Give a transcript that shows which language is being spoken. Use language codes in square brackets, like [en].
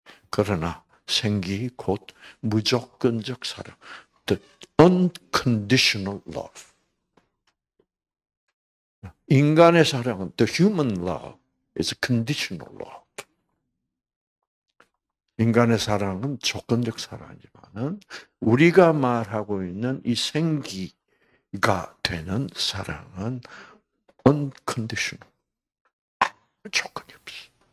[ko] 그러나 생기 곧 무조건적 사랑, [en] the unconditional love. [ko] 인간의 사랑은 [en] the human love. It's a conditional love. [ko] 인간의 사랑은 조건적 사랑이지만은 우리가 말하고 있는 이 생기가 되는 사랑은 unconditional. 조건이 없어.